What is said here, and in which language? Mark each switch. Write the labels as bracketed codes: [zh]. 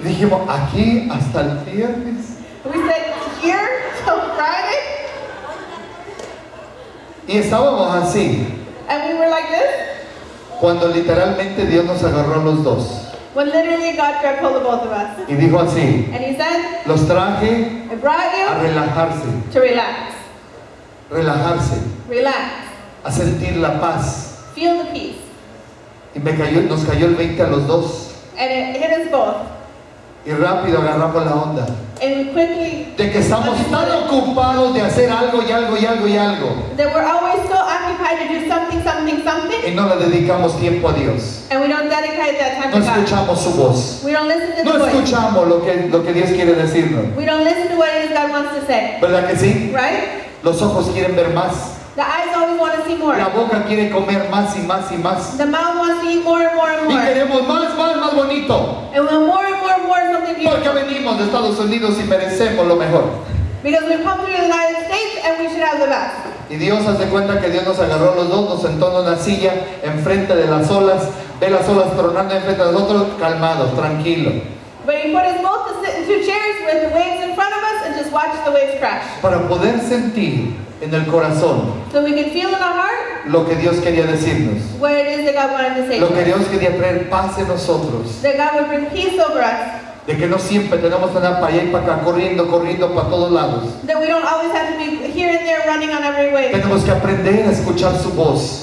[es] Dijimos, aquí hasta el viernes. [en] We said, here till Friday. [es] Y estábamos así. [en] And we were like this. [es] Cuando literalmente Dios nos agarró los dos. [en] When literally God grabbed hold of both of us. [es] Y dijo así. [en] And he said, [es] los traje, [en] I brought you [es] a relajarse. [en] To relax. [es] Relajarse. [en] Relax. [es] A sentir la paz. [en] Feel the peace. [es] Y me cayó, nos cayó el 20 a los dos. [en] And it hit us both. [es] Y rápido agarramos la onda. [en] And quickly. [es] De que estamos tan ocupados de hacer algo y algo y algo y algo. [en] That we're always so occupied to do something, something, something. [es] Y no le dedicamos tiempo a Dios. [en] And we don't dedicate that time to God. [es] No escuchamos su voz. [en] We don't listen to the voice. [es] No escuchamos lo que Dios quiere decirnos. [en] We don't listen to what God wants to say. [es] ¿Verdad que sí? [en] Right? [es] Los ojos quieren ver más. [en] The eyes always want to see more. [es] La boca quiere comer más y más y más. [en] The mouth wants to eat more and more and more. [es] Y queremos más, más, más bonito. [en] And we want more and more and more something beautiful. [es] Porque venimos de Estados Unidos y merecemos lo mejor. [en] Because we've come to the United States and we should have the best. [es] Y Dios hace cuenta que Dios nos agarró los dos, nos sentó en una silla enfrente de las olas, ve las olas tronando enfrente de nosotros, calmados, tranquilos. [en] But he put us both to sit in two chairs with the waves in front of us and just watch the waves crash. [es] Para poder sentir en el corazón. [en] So we could feel in our heart. [es] Lo que Dios quería decirnos. [en] What it is that God wanted to say. [es] Lo que Dios quería traer paz en nosotros. [en] That God would bring peace over us. [es] De que no siempre tenemos que andar para allá y para acá, corriendo, corriendo para todos lados. [en] That we don't always have to be here and there running on every way. [es] Tenemos que aprender a escuchar su voz.